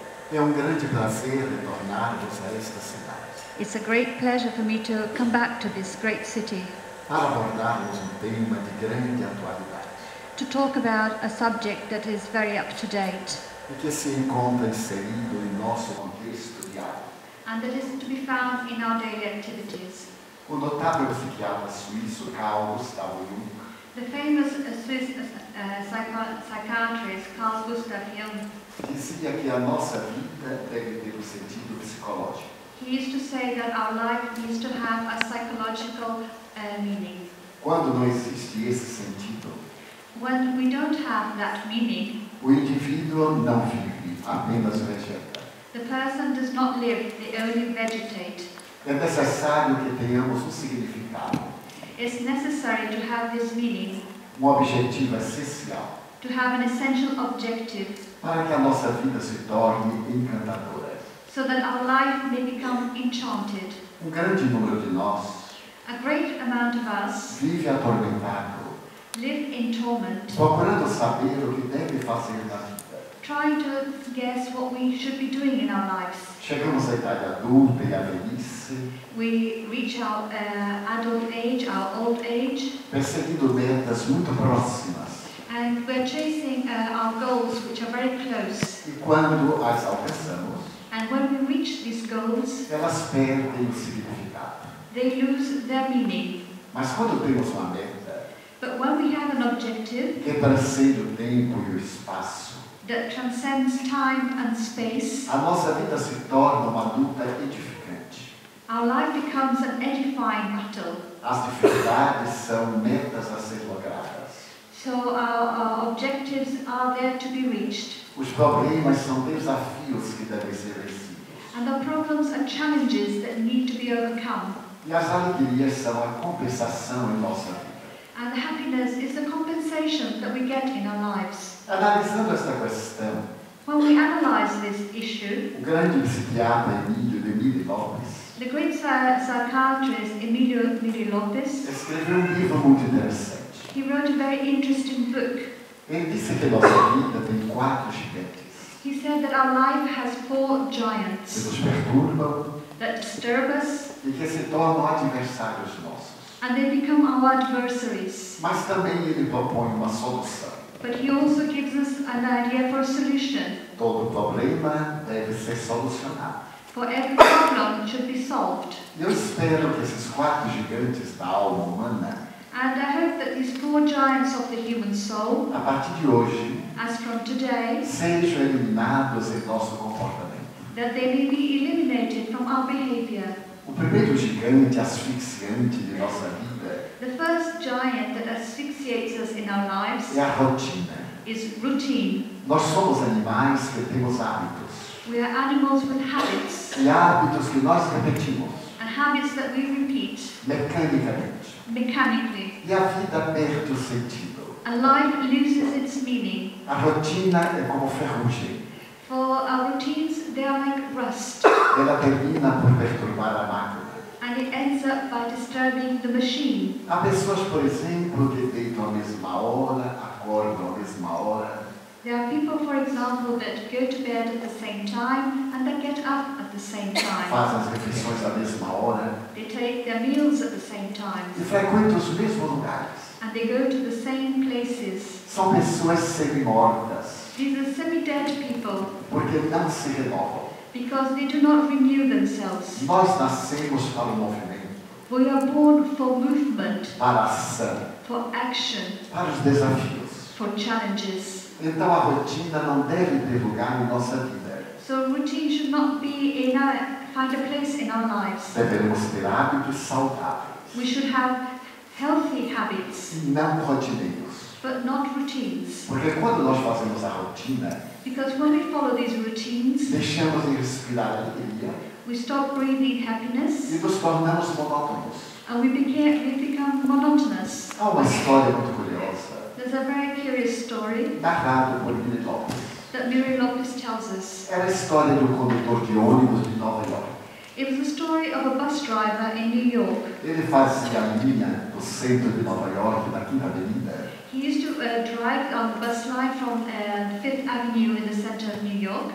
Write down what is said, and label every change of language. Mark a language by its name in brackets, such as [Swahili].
[Portuguese] É grande prazer retornar-vos a esta cidade. [English] It's a great pleasure for me to come back to this great city. [Portuguese] Para abordarmos tema de grande atualidade. [English] To talk about a subject that is very up to date. [Portuguese] E que se encontra inserido em nosso contexto diário. [English] And that is to be found in our daily activities. [Portuguese] O notável psiquiatra suíço Carl Gustav Jung. [English] The famous Swiss psychiatrist Carl Gustav Jung [Portuguese] dizia que a nossa vida deve ter sentido psicológico. [English] He used to say that our life needs to have a psychological meaning. [Portuguese] Quando não existe esse sentido, [English] when we don't have that meaning, [Portuguese] o indivíduo não vive, apenas vegeta. [English] The person does not live, they only vegetate. [Portuguese] É necessário que tenhamos significado. [English] It's necessary to have this meaning, [Portuguese] objetivo essencial, [English] to have an essential objective, [Portuguese] para que a nossa vida se torne encantadora, [English] so that our life may become enchanted. [Portuguese] Grande número de nós, [English] a great amount of us, [Portuguese] vive atormentado, [English] live in torment, [Portuguese] procurando saber o que deve fazer na vida, [English] trying to guess what we should be doing in our lives. [Portuguese] Chegamos à idade adulta e à velhice. [English] We reach our adult age, our old age. [Portuguese] Perseguindo metas muito próximas. [English] And we're chasing our goals, which are very close. [Portuguese] E quando as alcançamos, [English] and when we reach these goals, [Portuguese] elas perdem significado. [English] They lose their meaning. [Portuguese] Mas quando temos uma meta, [English] but when we have an objective, [Portuguese] quebrando o tempo e o espaço, [English] that transcends time and space, [Portuguese] a nossa vida se torna uma luta edificante. [English] Our life becomes an edifying battle. [Portuguese] As dificuldades são metas a ser logradas. [English] So our objectives are there to be reached. [Portuguese] Os problemas são desafios que devem ser vencidos. [English] And the problems are challenges that need to be overcome. [Portuguese] E as alegrias são a compensação em nossa vida. [English] And the happiness is the compensation that we get in our lives. [Portuguese] Analisando esta questão, [English] when we analyze this issue, [Portuguese] o grande psiquiatra Emílio de Mille Lopes, [English] the great psychiatrist Emílio de Mille Lopes, [Portuguese] escreveu um livro muito interessante. [English] He wrote a very interesting book. [Portuguese] Ele disse que nossa vida tem quatro gigantes. [English] He said that our life has four giants. [Portuguese] Que nos perturbam, [English] that disturb us, [Portuguese] e que se tornam adversários nossos. [English] And they become our adversaries. [Portuguese] Mas também ele propõe uma solução. [English] But he also gives us an idea for a solution. [Portuguese] Todo problema deve ser solucionado. [English] For every problem should be solved. [Portuguese] Eu espero que esses quatro gigantes da alma humana, [English] and I hope that these four giants of the human soul, [Portuguese] a partir de hoje, [English] as from today, [Portuguese] sejam eliminados em nosso comportamento. [English] That they may be eliminated from our behavior. [Portuguese] O primeiro gigante asfixiante de nossa vida, [English] the first giant that asphyxiates us in our lives, [Portuguese] é a rotina. [English] Is routine. [Portuguese] Nós somos animais que temos hábitos. [English] We are animals with habits. [Portuguese] E hábitos que nós repetimos. [English] And habits that we repeat. [Portuguese] Mecanicamente. [English] Mechanically. [Portuguese] E a vida perde o sentido. [English] And life loses its meaning. [Portuguese] A rotina é como ferrugem. [English] For our routines, they are like rust. [Portuguese] Ela termina por perturbar a máquina. [English] And it ends up by disturbing the machine. [Portuguese] Há pessoas, por exemplo, que deitam à mesma hora, acordam à mesma hora. [English] There are people, for example, that go to bed at the same time and they get up at the same time. [Portuguese] Fazem as refeições à mesma hora. [English] They take their meals at the same time. [Portuguese] E frequentam os mesmos lugares. [English] And they go to the same places. [Portuguese] São pessoas semi-mortas. [English] These are semi-dead people. [Portuguese] Porque não se renovam. [English] Because they do not renew themselves. [Portuguese] Nós nascemos para o movimento. [English] We are born for movement. [Portuguese] Para a ação. [English] For action. [Portuguese] Para os desafios. [English] For challenges. [Portuguese] Então a rotina não deve ter lugar em nossa vida. [English] So routine should not be in our, find a place in our lives. [Portuguese] Devemos ter hábitos saudáveis. [English] We should have healthy habits. [Portuguese] E não rotineiros. [English] But not routines. [Portuguese] Porque quando nós fazemos a rotina, [English] because when we follow these routines, [Portuguese] deixamos de respirar alegria, [English] we stop breathing happiness, [Portuguese] e nos tornamos monótonos, [English] and we become monotonous. [Portuguese] Há uma história muito curiosa, [English] there's a very curious story, [Portuguese] narrado por Mille Lopes, [English] that Mille Lopes tells us. [Portuguese] Era a história do condutor de ônibus de Nova York. [English] It was a story of a bus driver in New York. [Portuguese] Ele fazia a linha do centro de Nova York na Quinta Avenida. [English] He used to drive on the bus line from 5th Avenue in the center of New York.